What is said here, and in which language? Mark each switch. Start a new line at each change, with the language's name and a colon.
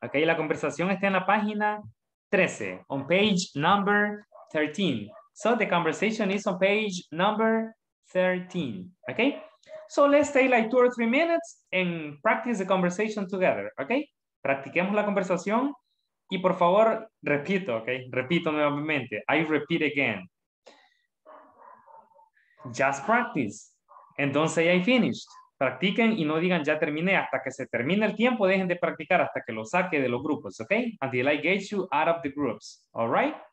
Spanish: Okay, la conversación está en la página 13,
English: on page number 13. So the conversation is on page number 13, okay? So let's stay like 2 or 3 minutes and practice the conversation together, okay?
Spanish: Practiquemos la conversación y por favor, repito, okay? Repito nuevamente,
English: I repeat again. Just practice.
Spanish: Entonces,
English: I finished.
Spanish: Practiquen y no digan ya terminé. Hasta que se termine el tiempo, dejen de practicar hasta que lo saque de los grupos, okay?
English: Until I get you out of the groups, all right?